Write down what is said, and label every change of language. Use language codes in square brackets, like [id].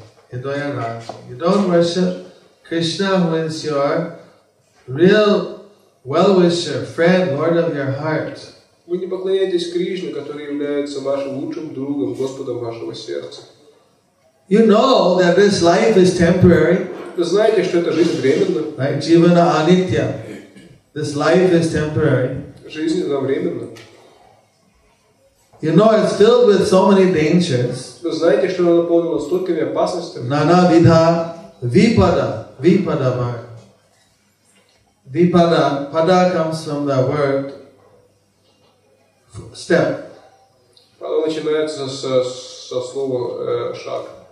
[en] You don't worship Krishna, who is your real well-wisher, friend, Lord of your heart. [ru] Вы не поклоняетесь Кришне, который является вашим лучшим другом, Господом вашего сердца. [en] You know that this life is temporary. [ru] Вы знаете, что эта жизнь временна. [en] Right? [bn] Jivana anitya. [en] This life is temporary. [ru] Жизнь она временна. [en] You know it's filled with so many dangers. [ru] Вы знаете, что она наполнена столькими опасностями. [bn] Nana vidha vipada, vipada mara. [en] Vipada, pada comes from the word step. [ru] Pada начинается со слова шаг.